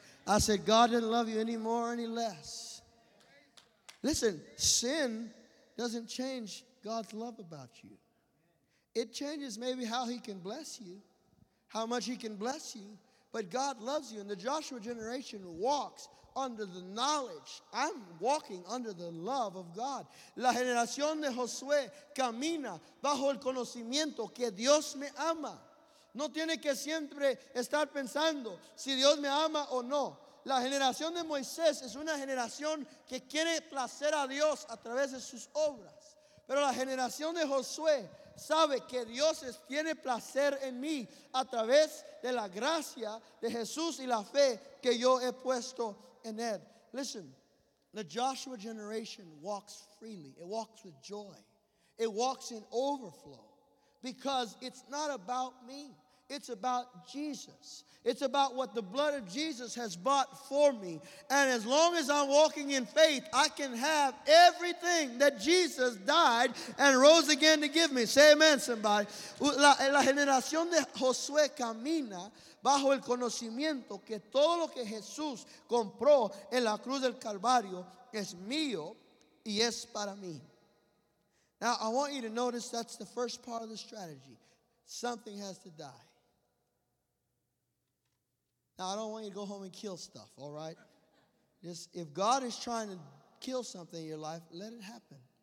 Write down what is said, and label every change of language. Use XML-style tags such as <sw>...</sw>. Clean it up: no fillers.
<en>I said, God doesn't love you any more or any less. Listen, sin doesn't change God's love about you. It changes maybe how he can bless you, how much he can bless you. But God loves you. And the Joshua generation walks under the knowledge. I'm walking under the love of God.</en> <es>La generación de Josué camina bajo el conocimiento que Dios me ama. No tiene que siempre estar pensando si Dios me ama o no. La generación de Moisés es una generación que quiere placer a Dios a través de sus obras. Pero la generación de Josué sabe que Dios tiene placer en mí a través de la gracia de Jesús y la fe que yo he puesto en él.</es> <en>Listen, the Joshua generation walks freely. It walks with joy. It walks in overflow. Because it's not about me. It's about Jesus. It's about what the blood of Jesus has bought for me. And as long as I'm walking in faith, I can have everything that Jesus died and rose again to give me. Say amen, somebody.</en> <es>La generación de Josué camina bajo el conocimiento que todo lo que Jesús compró en la cruz del Calvario es mío y es para mí.</es> <en>Now, I want you to notice that's the first part of the strategy. Something has to die. Now, I don't want you to go home and kill stuff, all right? Just, if God is trying to kill something in your life, let it happen.</en>